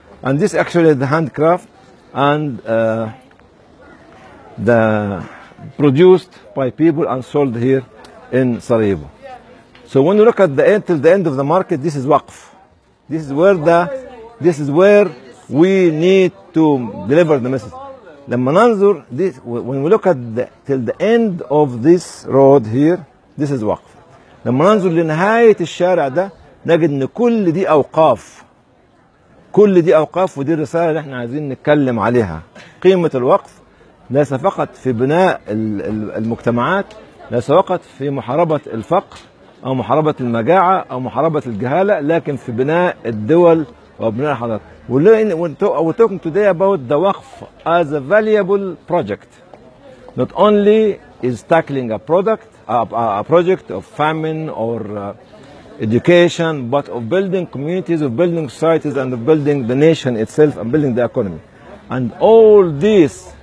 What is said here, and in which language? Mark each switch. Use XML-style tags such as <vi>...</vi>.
<en>And this actually is the handcraft and the produced by people and sold here in Sarajevo. So when you look at the end, till the end of the market, this is waqf. This is where we need to deliver the message.</en> <ar>لما ننظر</ar> <en>this, when we look at the, till the end of this road here, this is waqf.</en> <ar>لما ننظر لنهاية الشارع ده نجد ان كل دي اوقاف. كل دي اوقاف، ودي الرساله اللي احنا عايزين نتكلم عليها. قيمه الوقف ليس فقط في بناء المجتمعات، ليس فقط في محاربه الفقر او محاربه المجاعه او محاربه الجهاله، لكن في بناء الدول وبناء الحضارات.</ar> <en>We're talking today about the waqf as a valuable project. Not only is tackling a product, a project of famine or education, but of building communities, of building societies, and of building the nation itself, and building the economy. And all these</en>